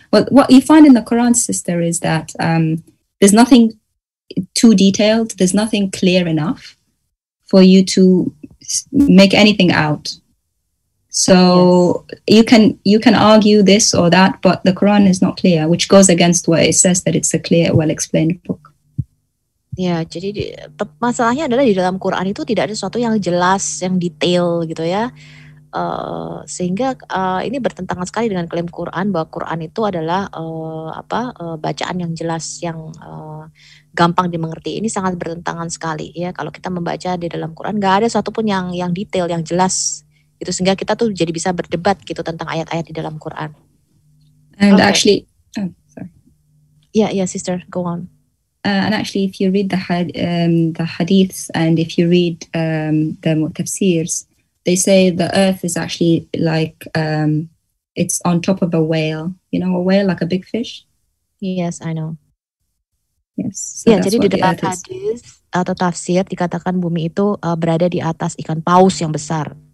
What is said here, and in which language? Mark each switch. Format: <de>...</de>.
<en>Well, what you find in the Quran, sister, is that there's nothing too detailed. There's nothing clear enough for you to make anything out. So yes. you can argue this or that, but the Quran is not clear, which goes against what it says that it's a clear, well-explained book.</en> <id>Ya, jadi masalahnya adalah di dalam Quran itu tidak ada sesuatu yang jelas, yang detail gitu ya. Sehingga ini bertentangan sekali dengan klaim Quran bahwa Quran itu adalah bacaan yang jelas, yang gampang dimengerti. Ini sangat bertentangan sekali ya. Kalau kita membaca di dalam Quran, nggak ada sesuatu pun yang detail, yang jelas. Itu sehingga kita tuh jadi bisa berdebat gitu tentang ayat-ayat di dalam Quran.</id> <en>And okay. Actually, sorry. Yeah, sister, go on. And actually, if you read the hadiths and if you read the tafsirs, they say the earth is actually like it's on top of a whale. You know, a whale, like a big fish. Yes, I know. Yes. So yeah,</en> <id>jadi di dalam hadis atau tafsir dikatakan bumi itu berada di atas ikan paus yang besar.</id>